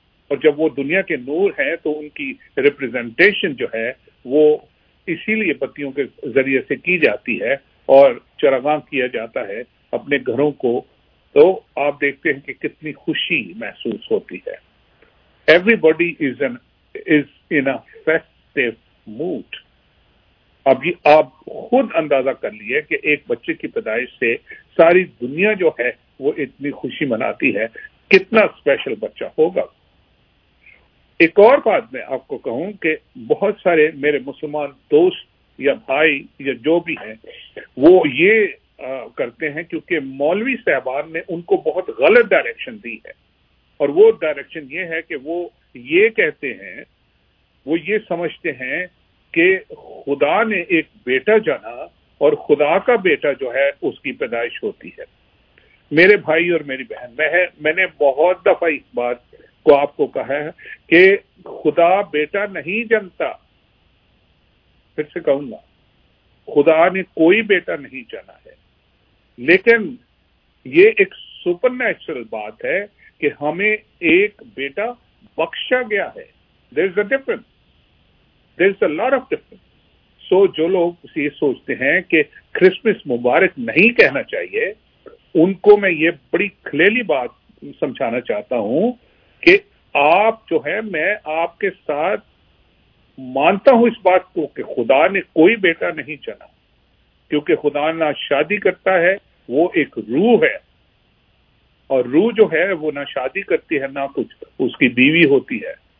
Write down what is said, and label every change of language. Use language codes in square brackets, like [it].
[ur] اور جب وہ دنیا کے نور ہیں تو ان کی ریپرزینٹیشن جو ہے وہ اسی لیے بتیوں کے ذریعے سے کی جاتی ہے اور چراغاں کیا جاتا ہے اپنے گھروں کو, تو آپ دیکھتے ہیں کہ کتنی خوشی محسوس ہوتی ہے. [en] Everybody is in a festive mood. [ur] اب یہ آپ خود اندازہ کر لیے کہ ایک بچے کی پیدائش سے ساری دنیا جو ہے وہ اتنی خوشی مناتی ہے, کتنا اسپیشل بچہ ہوگا. ایک اور بات میں آپ کو کہوں کہ بہت سارے میرے مسلمان دوست یا بھائی یا جو بھی ہیں وہ یہ کرتے ہیں کیونکہ مولوی صاحبان نے ان کو بہت غلط ڈائریکشن دی ہے, اور وہ ڈائریکشن یہ ہے کہ وہ یہ کہتے ہیں, وہ یہ سمجھتے ہیں کہ خدا نے ایک بیٹا جنا اور خدا کا بیٹا جو ہے اس کی پیدائش ہوتی ہے. میرے بھائی اور میری بہن, میں نے بہت دفعہ اس بات کو آپ کو کہا ہے کہ خدا بیٹا نہیں جنتا. پھر سے کہوں گا, خدا نے کوئی بیٹا نہیں جنا ہے, لیکن یہ ایک سپر نیچرل بات ہے کہ ہمیں ایک بیٹا بخشا گیا ہے. [en] There is a difference, there is a lot of difference. [ur] سو جو لوگ یہ سوچتے ہیں کہ کرسمس مبارک نہیں کہنا چاہیے, ان کو میں یہ بڑی کھلیلی بات سمجھانا چاہتا ہوں کہ آپ جو ہے, میں آپ کے ساتھ مانتا ہوں اس بات کو کہ خدا نے کوئی بیٹا نہیں جنا, کیونکہ خدا نہ شادی کرتا ہے, وہ ایک روح ہے, اور روح جو ہے وہ نہ شادی کرتی ہے نہ کچھ اس کی بیوی ہوتی ہے.